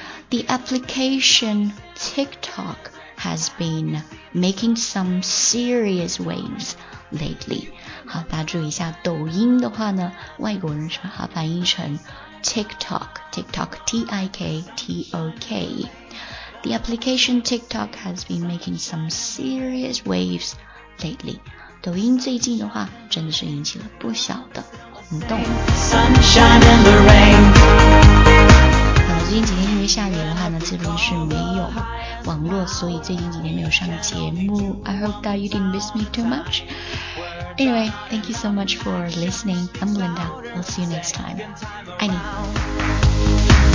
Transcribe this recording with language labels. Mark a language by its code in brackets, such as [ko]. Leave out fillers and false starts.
[en] The application TikTok,has been making some serious waves lately. [zh] 好，大家注意一下，抖音的话呢，外国人是把它翻译成 TikTok, T-I-K-T-O-K. [en] The application TikTok has been making some serious waves lately. [zh] 抖音最近的话，真的是引起了不小的轰动。 [en] Sunshine in the rain. [zh] 最近几天因为下雨的话呢，这边是没有网络，所以最近几天没有上节目。 [en] I hope that you didn't miss me too much. Anyway, thank you so much for listening. I'm Linda. I'll see you next time. [zh] 爱你。